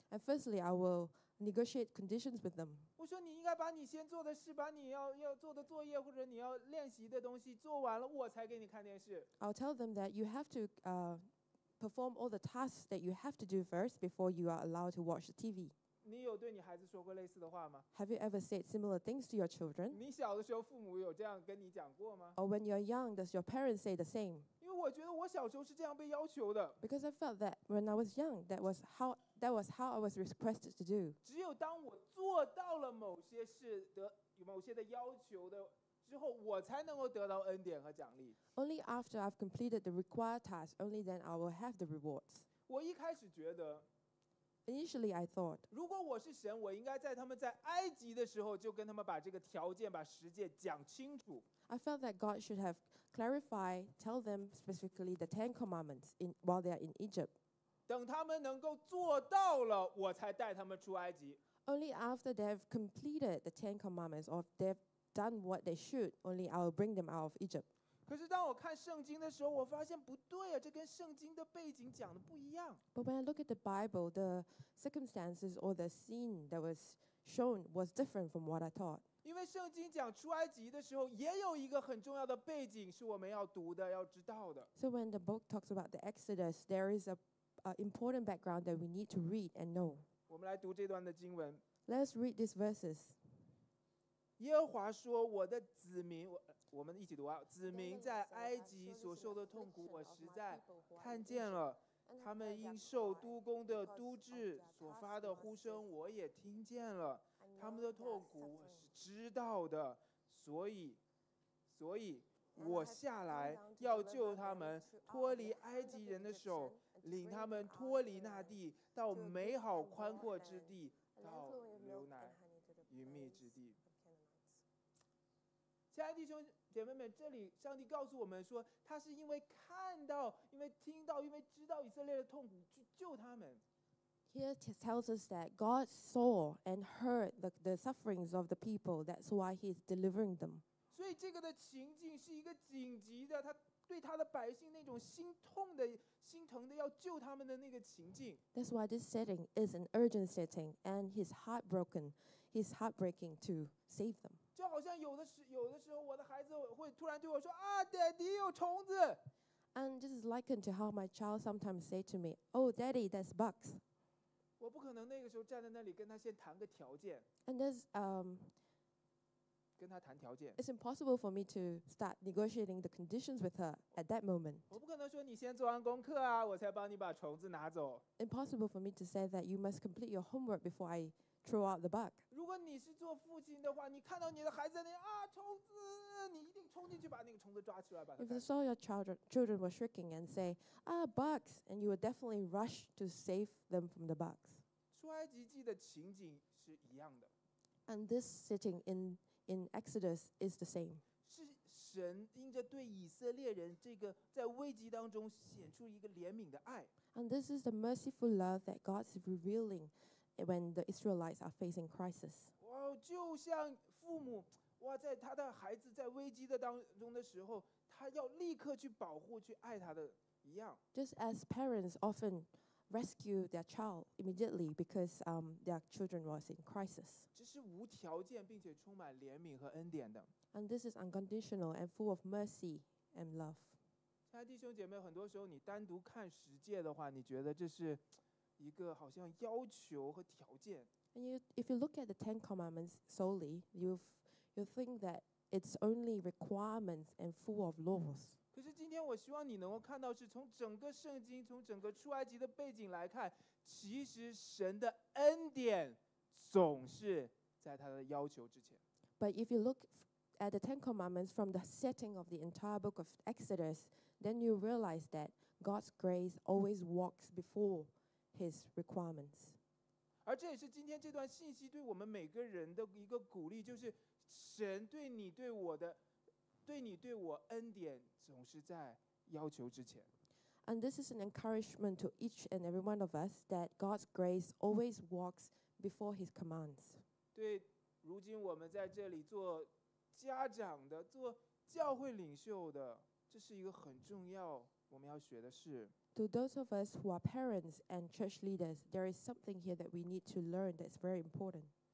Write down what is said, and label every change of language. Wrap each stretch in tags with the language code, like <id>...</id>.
<en>And firstly, I will negotiate conditions with them.</en> <zh>我说你应该把你先做的事，把你要做的作业或者你要练习的东西做完了，我才给你看电视。</zh> <en>I'll tell them that you have to perform all the tasks that you have to do first before you are allowed to watch the TV.</en> <zh>你有对你孩子说过类似的话吗</zh> <en>？Have you ever said similar things to your children？</en> <zh>你小的时候父母有这样跟你讲过吗</zh> <en>？Or when you're young, does your parents say the same？</en> <zh>因为我觉得我小时候是这样被要求的。</zh> <en>Because I felt that when I was young, that was how I was requested to do.</en> <zh>只有当我做到了某些事的某些的要求的之后，我才能够得到恩典和奖励。</zh> <en>Only after I've completed the required task, only then I will have the rewards.</en> <zh>我一开始觉得。</zh> <en>Initially, I thought,</en> <zh>如果我是神，我应该在他们在埃及的时候就跟他们把这个条件、把十诫讲清楚。</zh> <en>I felt that God should have clarified, tell them specifically the Ten Commandments in while they are in Egypt.</en> <zh>等他们能够做到了，我才带他们出埃及。</zh> <en>Only after they have completed the Ten Commandments or they've done what they should, only I will bring them out of Egypt.</en> <zh>可是当我看圣经的时候，我发现不对啊，这跟圣经的背景讲的不一样。</zh> <en>But when I look at the Bible, the circumstances or the scene that was shown was different from what I thought.</en> <zh>因为圣经讲出埃及的时候，也有一个很重要的背景是我们要读的、要知道的。</zh> <en>So when the book talks about the Exodus, there is an important background that we need to read and know.</en> <zh>我们来读这段的经文。</zh> <en>Let's read these verses.</en> <zh>耶和华说：“我的子民，我们一起读啊。子民在埃及所受的痛苦，我实在看见了。他们因受督工的督制所发的呼声，我也听见了。他们的痛苦我是知道的，所以我下来要救他们脱离埃及人的手，领他们脱离那地，到美好宽阔之地，到流奶与蜜之地。” 亲爱的弟兄姐妹们，这里上帝告诉我们说，他是因为看到、因为听到、因为知道以色列的痛苦，去救他们。</zh> <en>Here it tells us that God saw and heard the sufferings of the people. That's why He's delivering them.</en> <zh>所以这个的情境是一个紧急的，他对他的百姓那种心痛的、心疼的，要救他们的那个情境。</zh> <en>That's why this setting is an urgent setting, and He's heartbroken. He's heartbreaking to save them.</en> <zh>就好像有的时候我的孩子会突然对我说啊 ，Daddy 有虫子。</zh> <en>And this is likened to how my child sometimes say to me, "Oh, Daddy, there's bugs."</en> <zh>我不可能那个时候站在那里跟他先谈个条件。</zh> <en>And there's</en> <zh>跟他谈条件。</zh> <en>It's impossible for me to start negotiating the conditions with her at that moment. 我不可能说你先做完功课啊，我才帮你把虫子拿走。 Impossible for me to say that you must complete your homework before I. Throw out the bug.</en> <zh>如果你是做父亲的话，你看到你的孩子在那啊虫子，你一定冲进去把那个虫子抓出来，把它。</zh> <en>If you saw your children were shrieking and say, "Ah, bugs!" and you would definitely rush to save them from the bugs.</en> <zh>出埃及记的情景是一样的。</zh> <en>And this sitting in Exodus is the same.</en> <zh>是神因着对以色列人这个在危机当中显出一个怜悯的爱。</zh> <en>And this is the merciful love that God is revealing when the Israelites are facing crisis.</en> <zh>哇，就像父母哇，在他的孩子在危机的当中的时候，他要立刻去保护、去爱他的一样。</zh> <en>Just as parents often rescue their child immediately because their children was in crisis.</en> <zh>这是无条件并且充满怜悯和恩典的。</zh> <en>And this is unconditional and full of mercy and love.</en> <zh>亲爱的弟兄姐妹，很多时候你单独看十诫的话，你觉得这是一个好像要求和条件。</zh> <en>And if you look at the Ten Commandments solely, you think that it's only requirements and full of laws.</en> <zh>可是今天我希望你能够看到，是从整个圣经、从整个出埃及的背景来看，其实神的恩典总是在他的要求之前。</zh> <en>But if you look at the Ten Commandments from the setting of the entire book of Exodus, then you realize that God's grace always walks before His requirements.</en> <zh>而这也是今天这段信息对我们每个人的一个鼓励，就是神对你对我的，对你对我恩典总是在要求之前。</zh> <en>And this is an encouragement to each and every one of us that God's grace always walks before His commands.</en> <zh>对，如今我们在这里做家长的，做教会领袖的，这是一个很重要我们要学的事。</zh> <en>To those of us who are parents and church leaders, there is something here that we need to learn that's very important.</en>